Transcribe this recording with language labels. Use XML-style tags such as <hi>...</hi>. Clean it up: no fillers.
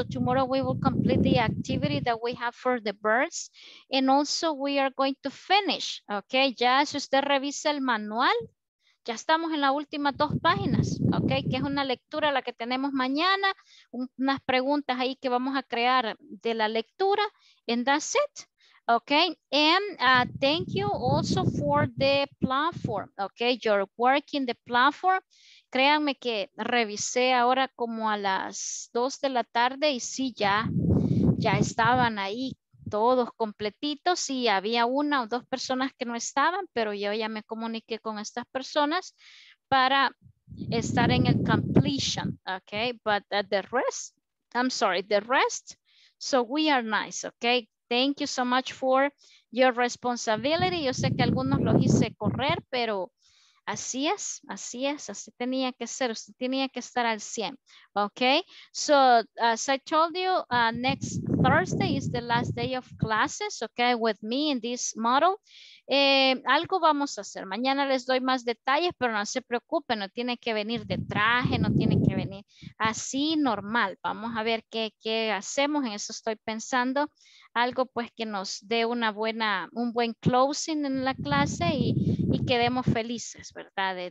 <en>So tomorrow we will complete the activity that we have for the birds. And also we are going to finish. Okay.</en> <es>Ya si usted revisa el manual, ya estamos en las últimas dos páginas. Okay. Que es una lectura la que tenemos mañana. Unas preguntas ahí que vamos a crear de la lectura.</es> <en>And that's it. Okay, and thank you also for the platform. Okay, you're working the platform.</en> <es>Créanme que revisé ahora como a las 2 de la tarde y sí, ya estaban ahí todos completitos y había una o dos personas que no estaban, pero yo ya me comuniqué con estas personas para estar en el completion.</es> <en>Okay, but the rest, so we are nice. Okay. Thank you so much for your responsibility.</en> <es>Yo sé que algunos los hice correr, pero así es, así es. Así tenía que ser. Usted tenía que estar al 100. Okay.</es> <en>So, as I told you, next Thursday is the last day of classes, okay, with me in this model.</en> <es>Algo vamos a hacer. Mañana les doy más detalles, pero no se preocupen. No tiene que venir de traje, no tiene que venir así, normal. Vamos a ver qué hacemos. En eso estoy pensando. Algo pues que nos dé una buena, un buen closing en la clase y quedemos felices, ¿verdad?</es>